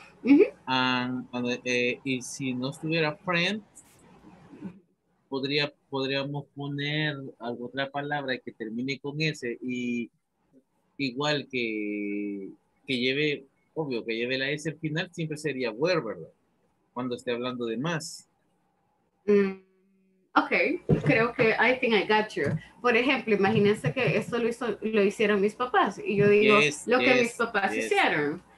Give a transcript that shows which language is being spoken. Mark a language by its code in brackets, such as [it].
[es] Y si no estuviera friend, podríamos poner alguna otra palabra que termine con S y igual que lleve, obvio, que lleve la S al final, siempre sería were, ¿verdad? Cuando esté hablando de más. [en] Okay, [es] creo que [en] I think I got you. [es] Por ejemplo, imagínense que esto lo hicieron mis papás y yo digo que mis papás hicieron.